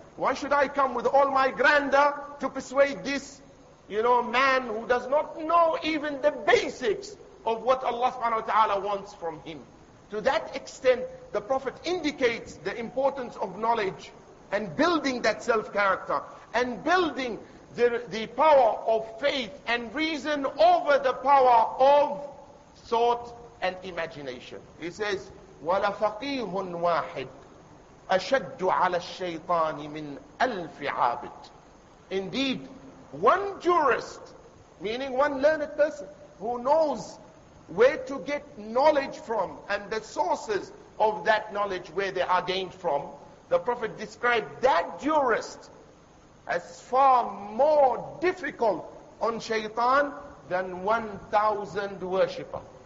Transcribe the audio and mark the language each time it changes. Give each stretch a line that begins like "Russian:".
English: Why should I come with all my grandeur to persuade this, you know, man who does not know even the basics of what Allah subhanahu wa ta'ala wants from him? To that extent, the Prophet indicates the importance of knowledge and building that self-character and building the power of faith and reason over the power of thought and imagination. He says,
Arabic: وَلَفَقِيهٌ وَاحِدٌ أَشَدُّ عَلَى الشَّيْطَانِ مِنْ أَلْفِ عَابِدٍ.
English: Indeed, one jurist, meaning one learned person, who knows where to get knowledge from and the sources of that knowledge, where they are gained from, the Prophet described that jurist as far more difficult on shaitan than 1,000 worshippers.